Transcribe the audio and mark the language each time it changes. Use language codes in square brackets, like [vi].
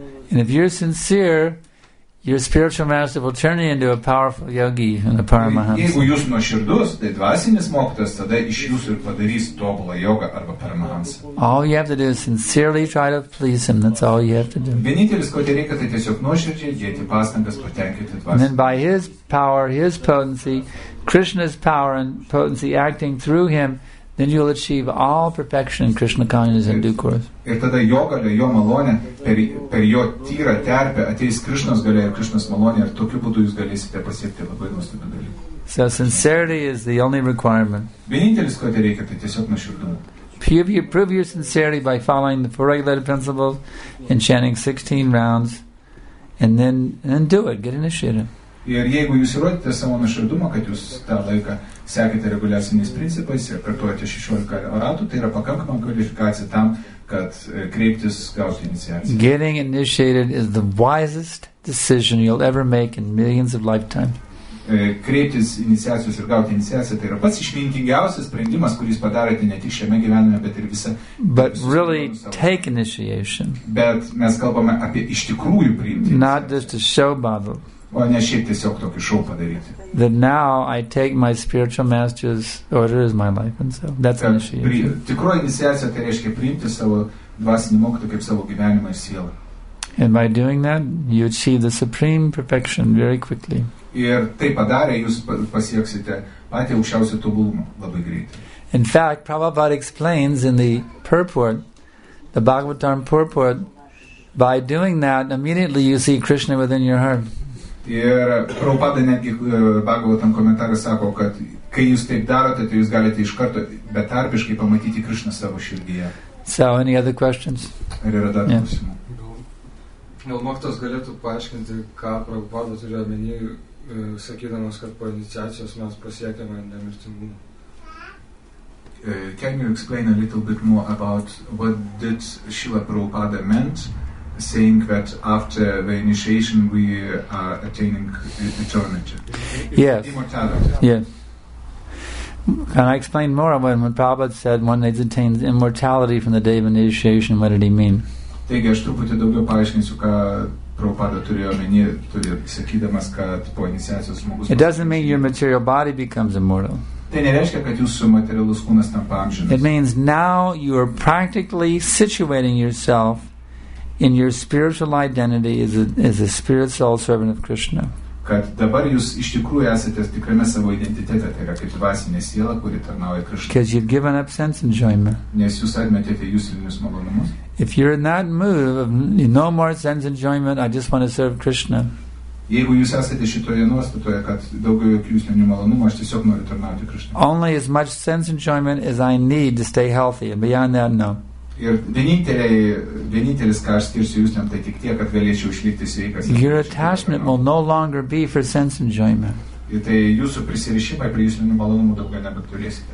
[en] And if you're sincere, your spiritual master will turn you into a powerful yogi and a paramahamsa. [lt] Jeigu jūs nuoširdus, tai dvasinis mokytas tada iš jūsų ir padarys tobulą jogą arba paramahamsa. [en] All you have to do is sincerely try to please him. That's all you have to do. [lt] Vienintelis, ko reikia, tai tiesiog nuoširdžiai dėti pastangas patenkinti dvasinį. [en] And then by his power, his potency, Krishna's power and potency acting through him, then you'll achieve all perfection in Krishna consciousness in due course. [lt] Ir tada jo galia, jo malonė, per jo tyrą terpę ateis Krishnas galia ir Krishnas malonė, ir tokiu būdu jūs galėsite pasiekti labai nuostabių dalykų. [en] So sincerity is the only requirement. [lt] Vienintelis, ko reikia, tai tiesiog nuoširdumo. [en] If you prove your sincerity by following the four regulated principles and chanting 16 rounds, and then do it, get initiated. [lt] Ir jeigu jūs įrodite savo nuoširdumą, kad jūs tą laiką sekite reguliaciniais principais ir kartuojate 16 ratų, tai yra pakankama kvalifikacija tam, kad kreiptis gauti iniciaciją. [en] Getting initiated is the wisest decision you'll ever make in millions of lifetimes. [lt] Kreiptis iniciacijos ir gauti iniciaciją, tai yra pats išmintingiausias sprendimas, kuris padarėte ne tik šiame gyvenime, bet ir visą. [en] But really take initiation. [lt] Bet mes kalbame apie iš tikrųjų priimti. [en] Not just a show bottle. [lt] O ne šiaip tiesiog tokį šou padaryti. [en] That now I take my spiritual master's order as my life, and so that's initiation. [lt] Tikroji iniciacija, tai reiškia priimti savo dvasinį mokytoją kaip savo gyvenimą ir sielą. [en] And by doing that, you achieve the supreme perfection very quickly. [lt] Ir tai padarę, jūs pasieksite patį aukščiausią tobulumą labai greitai. [en] In fact, Prabhupada explains in the purport, the Bhagavatam purport, by doing that, immediately you see Krishna within your heart. [lt] Ir Prabhupada netgi Bhagavatam komentarą sako, kad kai jūs taip darote, tai jūs galite iš karto betarpiškai pamatyti Krishna savo širdyje. [en] So, any other questions? [lt] Ar yra dar klausimų? Gal mokytas galėtų paaiškinti, ką Prabhupada turėjo omeny, sakydamas, kad po iniciacijos mes pasiekėme nemirtingumą? [en] Can you explain a little bit more about what did Srila Prabhupada meant, saying that after the initiation we are attaining eternity? Yes. Immortality. Yes. Can I explain more about when Prabhupada said one needs to attain immortality from the day of initiation? What did he mean? [lt] Taigi, aš truputį daugiau paaiškinsiu, ką Prabhupada turėjo omeny, sakydamas, kad po iniciacijos žmogus. [en] It doesn't mean your material body becomes immortal. [lt] Tai nereiškia, kad jūsų materialus kūnas tampa amžinas. [en] It means now you are practically situating yourself in your spiritual identity as a spirit soul servant of Krishna. [lt] Kad dabar jūs iš tikrųjų esate tikrame savo identitete, tai yra kaip dvasinė siela, kuri tarnauja Krishna. [en] Because you've given up sense enjoyment. [lt] Nes jūs atmetėte juslinius malonumus. [en] If you're in that mood of no more sense enjoyment, I just want to serve Krishna. [lt] Jeigu jūs esate šitoje nuostatoje, kad daugiau jokių juslinių malonumų, aš tiesiog noriu tarnauti Krishna. [en] Only as much sense enjoyment as I need to stay healthy, and beyond that, no. [lt] Ir vienintelis, ką aš skirsiu jūs, tai tik tiek, kad galėčiau išlikti sveikas. [en] Your attachment will no longer be for sense enjoyment. [lt] Ir tai jūsų prisirišimai prie jūsų malonumų daugiau nebeturėsite.